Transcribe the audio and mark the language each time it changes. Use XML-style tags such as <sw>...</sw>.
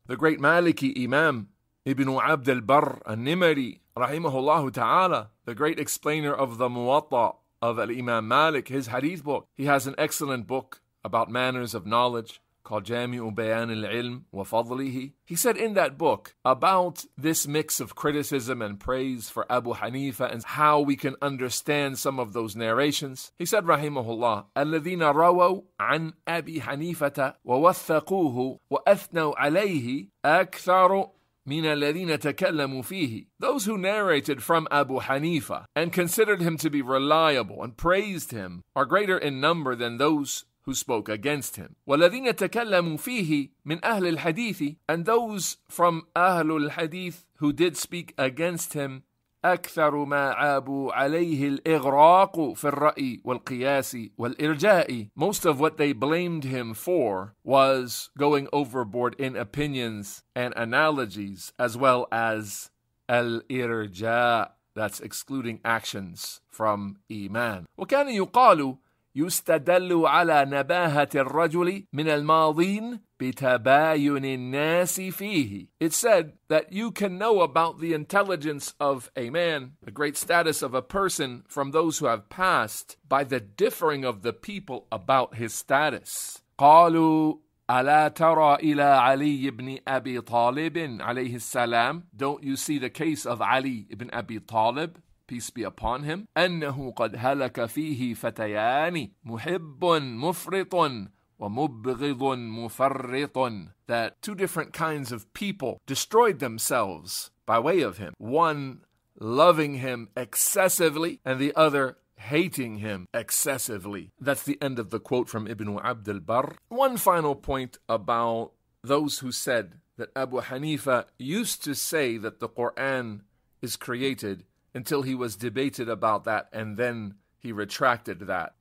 <en>The great Maliki Imam Ibn Abd al-Barr al-Nimari, rahimahullahu ta'ala, the great explainer of the Muwatta of al-Imam Malik, his hadith book. He has an excellent book about manners of knowledge called Jami'u Bayan al-Ilm wa Fadlihi. He said in that book about this mix of criticism and praise for Abu Hanifa and how we can understand some of those narrations. He said,</en> <ar>rahimahullah, الَّذِينَ رَوَوْا عَنْ أَبِي حَنِيفَةَ وَوَثَّقُوهُ وَأَثْنَوْا عَلَيْهِ أَكْثَرُ مِنَ الَّذِينَ تَكَلَّمُوا فِيهِ.</ar> <en>Those who narrated from Abu Hanifa and considered him to be reliable and praised him are greater in number than those who spoke against him.</en> <ar>وَالَّذِينَ تَكَلَّمُوا فِيهِ مِنْ أَهْلِ الْحَدِيثِ.</ar> <en>And those from أَهْلُ الْحَدِيثِ who did speak against him, أَكْثَرُ مَا عَابُوا عَلَيْهِ الْإِغْرَاقُ فِي الرَّأِي وَالْقِيَاسِ وَالْإِرْجَاءِ. Most of what they blamed him for was going overboard in opinions and analogies, as well as الْإِرْجَاء, that's excluding actions from إيمان.</en> <ar>وَكَانَ يُقَالُ يُسْتَدَلُّ عَلَى نَبَاهَةِ الرَّجُلِ مِنَ الْمَاضِينَ بِتَبَايُنِ النَّاسِ فِيهِ.</ar> <en>It said that you can know about the intelligence of a man, the great status of a person from those who have passed, by the differing of the people about his status.</en> <ar>قَالُوا أَلَا تَرَى إِلَى عَلِي بْنِ أَبِي طَالِبٍ عَلَيْهِ السَّلَامِ.</ar> <en>Don't you see the case of Ali ibn Abi Talib, peace be upon him?</en> <ar>أنه قد هلك فيه فتيان محب مفرط ومبغض مفرط.</ar> <en>That two different kinds of people destroyed themselves by way of him. One loving him excessively and the other hating him excessively. That's the end of the quote from Ibn Abd al-Barr. One final point about those who said that Abu Hanifa used to say that the Quran is created until he was debated about that, and then he retracted that.</en>